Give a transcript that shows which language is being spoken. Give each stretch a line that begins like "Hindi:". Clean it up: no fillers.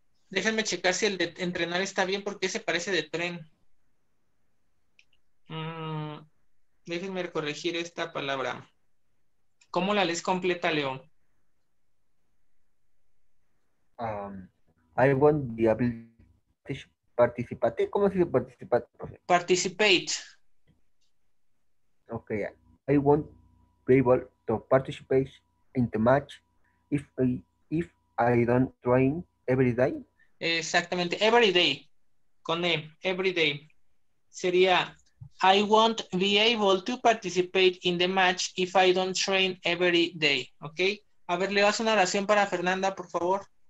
Spanish: Déjenme checar si el de entrenar está bien, porque se parece de tren. Déjenme corregir esta palabra. ¿Cómo la lees completa, Leo?
English: I won't be able to participate.
Spanish: ¿Cómo se dice participate, profe?
English: Participate. Okay. I won't be able to participate in the match if I don't train every day.
Spanish: Exactamente, every day, con E, every day.
English: Sería, I won't be able to participate in the match if I don't train every day, ¿ok?
Spanish: A ver, le vas una oración para Fernanda, por favor.